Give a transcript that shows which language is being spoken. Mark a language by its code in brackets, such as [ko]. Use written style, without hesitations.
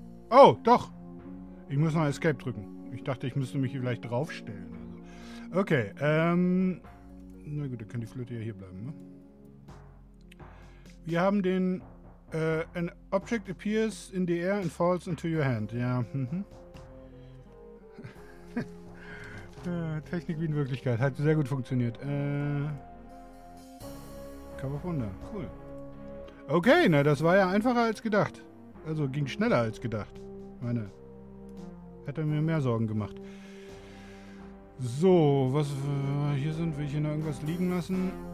[de] Oh, doch. Ich muss noch Escape drücken. Ich dachte, ich müsste mich hier vielleicht draufstellen. Also. Okay. Na gut, dann kann die Flöte ja hier bleiben. Ne? Wir haben den... [en] an object appears in the air and falls into your hand. [de] Ja. Technik wie in Wirklichkeit. Hat sehr gut funktioniert. Cup of Wonder. Cool. Okay, na, das war ja einfacher als gedacht. Also, ging schneller als gedacht. Meine, hätte mir mehr Sorgen gemacht. So, was hier sind, will ich hier noch irgendwas liegen lassen?